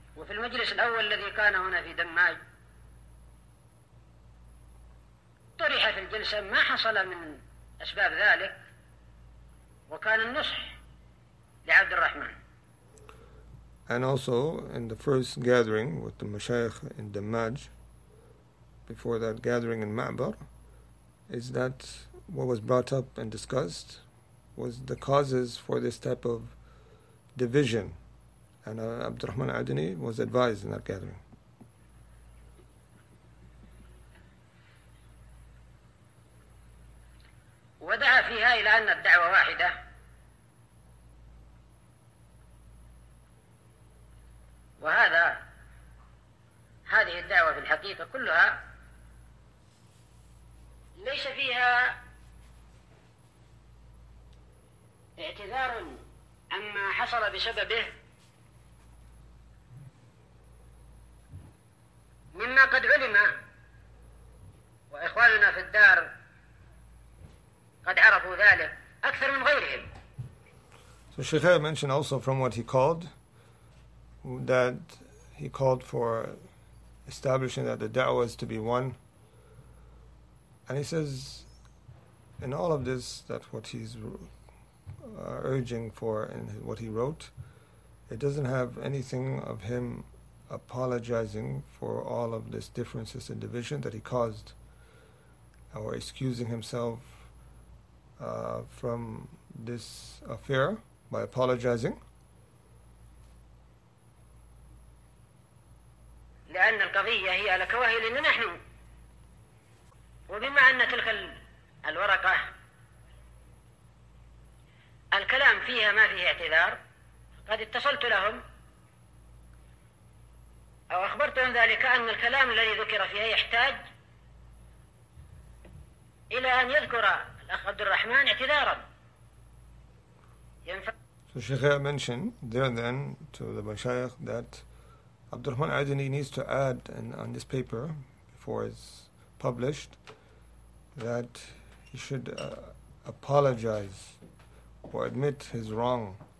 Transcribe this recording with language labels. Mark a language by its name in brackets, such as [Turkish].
[Arabic] في المجلس الأول الذي كان هنا في دماج طرح في الجلسة ما حصل من أسباب ذلك وكان النصح لعبد الرحمن. [English] And also in the first gathering with the Mashaykh in Dammaj, before that gathering in Ma'bar, is that what was brought up and discussed was the causes for this type of division. And Abdul Rahman Adini was advised in that gathering. [Arabic] ودعا فيها إلى أن الدعوة واحدة وهذا هذه الدعوة في الحقيقة كلها ليس فيها اعتذار عما حصل بسببه مما قد علم وإخواننا في الدار قد عرفوا ذلك أكثر من غيرهم. [English] So Sheikh mentioned also from what he called that he called for establishing that the da'wah is to be one, and he says in all of this that what he's urging for in what he wrote, it doesn't have anything of him apologizing for all of this differences and division that he caused, or excusing himself from this affair by apologizing. [Arabic] لأن القضية هي على كواهلنا نحن، وبما أن تلك الورقة الكلام فيها ما فيه اعتذار، قد اتصلت لهم أو أخبرتهم ذلك أن الكلام الذي ذكر فيها يحتاج إلى أن يذكر الأخ عبد الرحمن اعتذارا. [English] So Sheikh mentioned there then to the Mashaayikh that Abdurrahman Adini needs to add on this paper before it's published that he should apologize or admit his wrong.